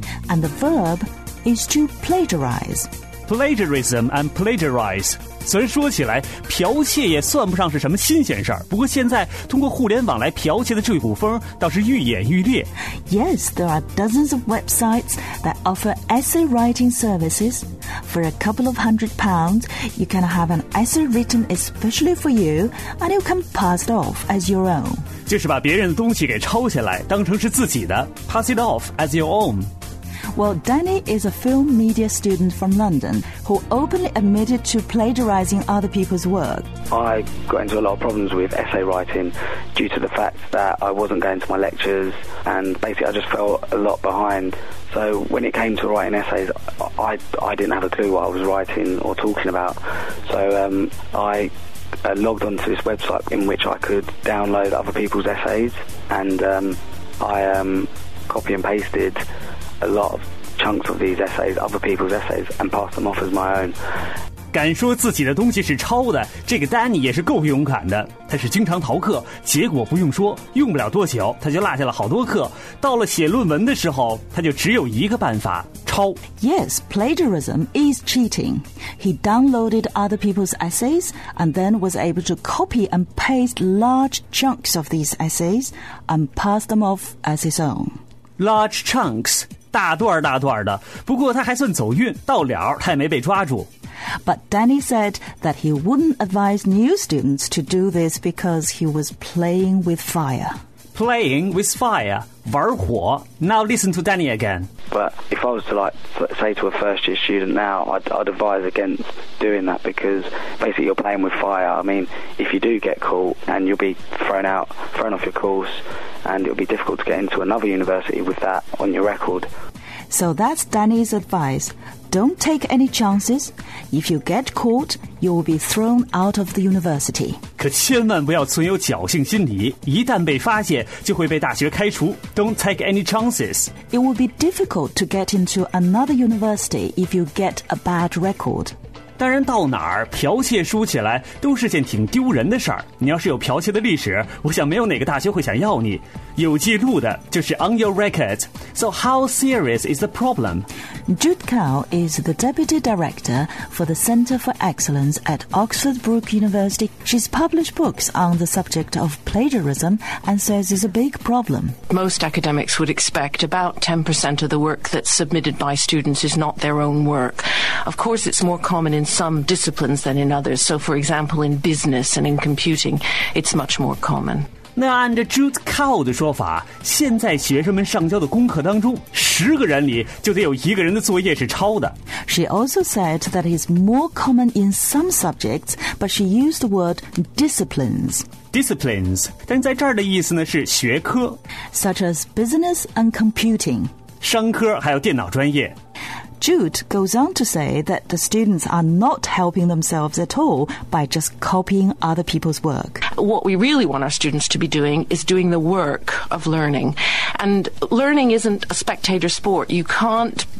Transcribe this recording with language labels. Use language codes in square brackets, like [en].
[en] And the verb is to plagiarize. Plagiarism and plagiarize. [zh] 虽然说起来剽窃也算不上是什么新鲜事儿，不过现在通过互联网来剽窃的这股风倒是愈演愈烈。 [en] Yes, there are dozens of websites that offer essay writing services. For a couple of £100, you can have an essay written especially for you and you can pass it off as your own. [zh] 就是把别人的东西给抄下来，当成是自己的 ， [en] pass it off as your own. Well, Danny is a film media student from London who openly admitted to plagiarizing other people's work. I got into a lot of problems with essay writing due to the fact that I wasn't going to my lectures, and basically I just felt a lot behind. So when it came to writing essays, I didn't have a clue what I was writing or talking about. So I logged onto this website in which I could download other people's essays, and I copy and pasted a lot of chunks of these essays, other people's essays, and passed them off as my own. [zh] 敢说自己的东西是抄的，这个 Danny 也是够勇敢的。他是经常逃课，结果不用说，用不了多久他就落下了好多课。到了写论文的时候，他就只有一个办法。 [en] Yes, plagiarism is cheating. He downloaded other people's essays and then was able to copy and paste large chunks of these essays and pass them off as his own. Large chunks, [zh] 大段大段的。不过他还算走运，到了他也没被抓住。 [en] But Danny said that he wouldn't advise new students to do this because he was playing with fire. Playing with fire, [zh] 玩火. [en] Now listen to Danny again. But if I was to like say to a first year student now, I'd advise against doing that because basically you're playing with fire. I mean, if you do get caught and you'll be thrown off your course and it'll be difficult to get into another university with that on your record. So that's Danny's advice. Don't take any chances. If you get caught, you'll be thrown out of the university. [zh] 可千万不要存有侥幸心理，一旦被发现就会被大学开除。 [en] Don't take any chances. It will be difficult to get into another university if you get a bad record. [zh] 当然到哪儿剽窃输起来都是件挺丢人的事儿。你要是有剽窃的历史，我想没有哪个大学会想要你。有记录的就是 [en] on your record. So how serious is the problem? Jude Cow is the deputy director for the Center for Excellence at Oxford Brooke University. She's published books on the subject of plagiarism and says it's a big problem. Most academics would expect about 10% of the work that's submitted by students is not their own work. Of course, it's more common in some disciplines than in others. So, for example, in business and in computing, it's much more common. [zh] 那按照 Jude Cow 的说法，现在学生们上交的功课当中，十个人里就得有一个人的作业是抄的。 [en] She also said that it's more common in some subjects, but she used the word disciplines. [zh] Disciplines, 但在这儿的意思呢是学科。 [en] Such as business and computing. [zh] 商科还有电脑专业。 [en] Jude goes on to say that the students are not helping themselves at all by just copying other people's work. What we really want our students to be doing is doing the work of learning. And learning isn't a spectator sport. You can't